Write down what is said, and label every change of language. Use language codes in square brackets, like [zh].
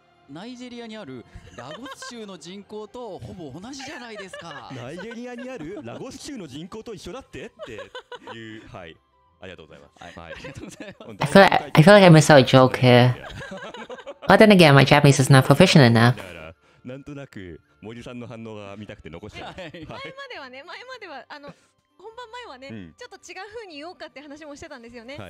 [ja] ナイジェリアにあるラゴス州の人口とほぼ同じじゃないですか。ナイジェリアにあるラゴス州の人口と一緒だってっていう、はい、ありがとうございます。はい、はい、ありがとうございます。 [en] I feel like I miss out a joke here. But then again, my Japanese is not proficient enough. [ja] なんとなく森さんの反応が見たくて残した。前までは、本番前はね、うん、ちょっと違う風に言おうかって話もしてたんですよね。は